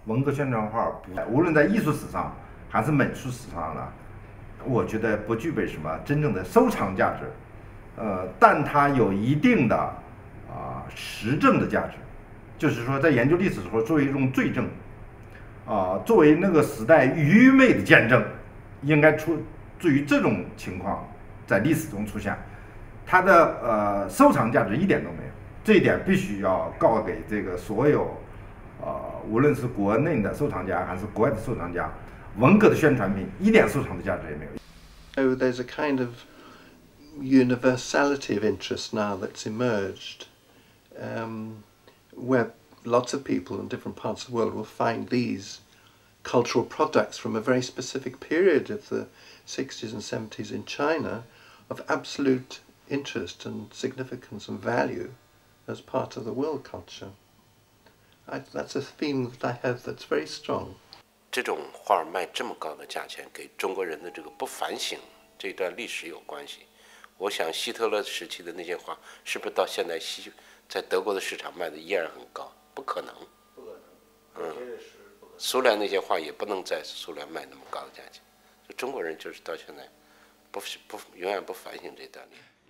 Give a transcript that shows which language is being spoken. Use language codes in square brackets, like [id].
[zh] 文革宣传画无论在艺术史上还是美术史上呢，我觉得不具备什么真正的收藏价值，但它有一定的实证的价值，就是说在研究历史的时候作为一种罪证，作为那个时代愚昧的见证，应该出注于这种情况在历史中出现，它的收藏价值一点都没有。这一点必须要告给这个所有，无论是国内的收藏家还是国外的收藏家，文革的宣传品一点收藏的价值也没有。 [en] Oh, there's a kind of universality of interest now that's emerged, where lots of people in different parts of the world will find these cultural products from a very specific period of the 60s and 70s in China of absolute interest and significance and value as part of the world culture. That's a theme that I have that's very strong. [zh] 这种画卖这么高的价钱给中国人的这个不反省这段历史有关系。我想希特勒时期的那些画是不是到现在在德国的市场卖的依然很高？不可能，不可能，苏联那些画也不能在苏联卖那么高的价钱，就中国人就是到现在不永远不反省这段历史。